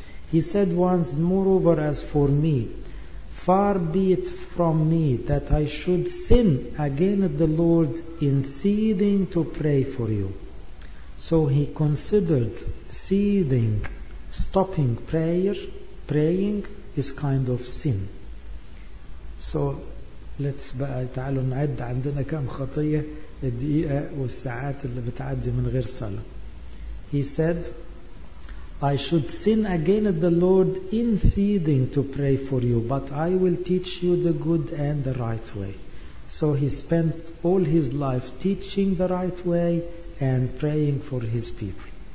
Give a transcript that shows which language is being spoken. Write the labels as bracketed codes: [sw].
[en] He said once, moreover, as for me, far be it from me that I should sin against the Lord in ceasing to pray for you. So he considered ceasing, stopping prayer, praying is kind of sin. So let's [ar] بقى تعالوا نعد عندنا كم خطية الدقيقة والساعات اللي بتعدي من غير صلاة. [en] He said, I should sin against the Lord in ceasing to pray for you, but I will teach you the good and the right way. So he spent all his life teaching the right way and praying for his people.